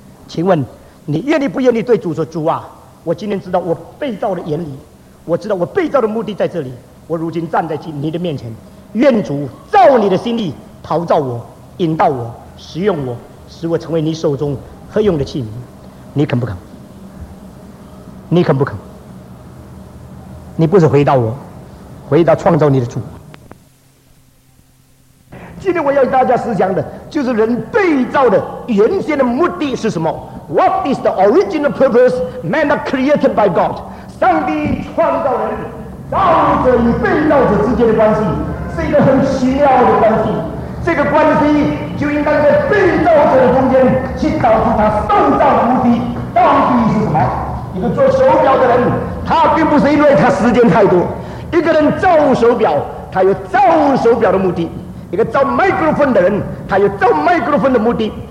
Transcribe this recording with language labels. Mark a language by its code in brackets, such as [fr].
[zh] 请问你愿意不愿意对主说：“主啊，我今天知道我被造的原理，我知道我被造的目的在这里，我如今站在你的面前，愿主照你的心意陶造我、引导我、使用我，使我成为你手中合用的器皿。” 你肯不肯？你肯不肯？你不是回答我，回答创造你的主。今天我要大家思想的就是人被造的原先的目的是什么。 [en] What is the original purpose man are created by God? [zh] 上帝创造人，造物者与被造者之间的关系是一个很奇妙的关系，这个关系就应该在被造者的中间去导致他受造的目的到底是什么。一个做手表的人，他并不是因为他时间太多，一个人造手表，他有造手表的目的，一个造microphone的人，他有造microphone的目的。